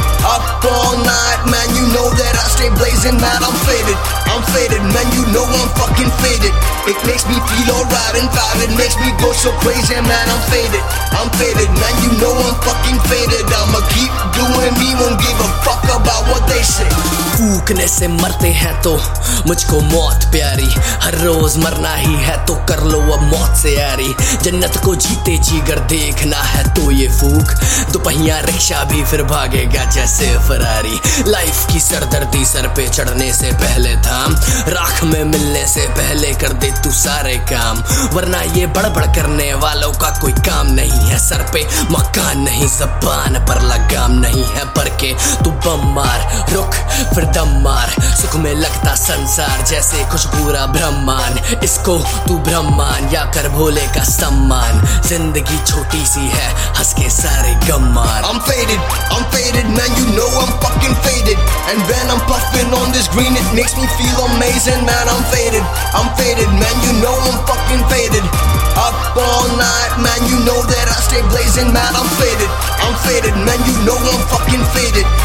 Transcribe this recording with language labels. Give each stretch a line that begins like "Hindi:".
English: Up all night, man, you know that I stay blazing, man. I'm faded, man, you know I'm fucking faded. It makes me feel alright and fine, it makes me go so crazy, man. I'm faded, man, you know I'm fucking faded. I'ma keep doing me, won't give a fuck about what they say.
Hindi: फूकने से मरते हैं तो मुझको मौत प्यारी, हर रोज मरना ही है तो कर लो अब मौत से यारी। जन्नत को जीते जीगर देखना है तो ये फूक, दोपहिया रिक्शा भी फिर भागेगा जैसे फरारी। लाइफ की सरदर्दी सर पे चढ़ने से पहले थाम, राख में मिलने से पहले कर दे तू सारे काम, वरना ये बड़बड़ करने वालों का कोई काम नहीं है। सर पे मकान नहीं, जबान पर लगाम नहीं है, पर के तू बम मार रुक फिर दम मार। सुख में लगता संसार जैसे कुछ बुरा ब्रह्मान, इसको तू ब्रह्मान या कर भोले का सम्मान। जिंदगी छोटी सी है, हंस के सारे गम मार।
English: I'm faded, man, you know I'm fucking faded. And when I'm puffing on this green, it makes me feel amazing, man. I'm faded, man, you know I'm fucking faded. Up all night, man, you know that I stay blazing, man. I'm faded, man, you know I'm fucking faded.